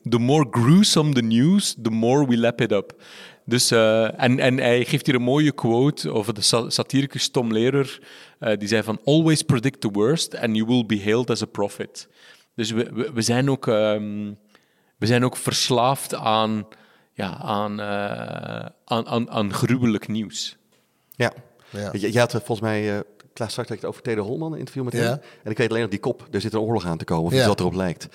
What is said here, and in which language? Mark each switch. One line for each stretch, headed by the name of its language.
English: The more gruesome the news, the more we lap it up.
Dutch: Dus, en hij geeft hier een mooie quote over de satiricus Tom Lehrer. Die zei van,
English: always predict the worst and you will be hailed as a prophet.
Dutch: Dus we zijn ook, we zijn ook verslaafd aan, ja, aan gruwelijk nieuws. Ja, ja. Je had volgens mij, Klaas, straks had je het over Teder Holman interview met hem. Ja. En ik weet alleen op die kop, er zit een oorlog aan te komen, of wat erop lijkt.